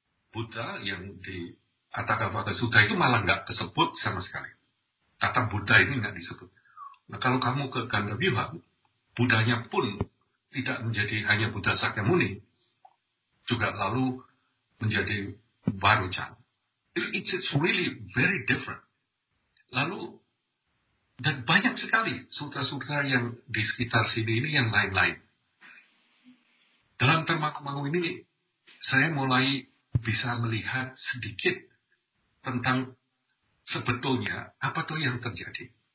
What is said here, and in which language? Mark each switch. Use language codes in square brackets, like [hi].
[id] Buddha yang di Atagavata Sutra itu malah nggak tersebut sama sekali. Kata Buddha ini nggak disebut. Nah, kalau kamu ke Gandhaviva, Buddhanya pun tidak menjadi hanya Buddha Sakyamuni, juga lalu menjadi Varuchan. [en] It's really very different. [id] Lalu, dan banyak sekali sutra-sutra yang di sekitar sini ini yang lain-lain. Dalam termangu-mangu ini, saya mulai bisa melihat sedikit tentang sebetulnya apa tuh yang terjadi.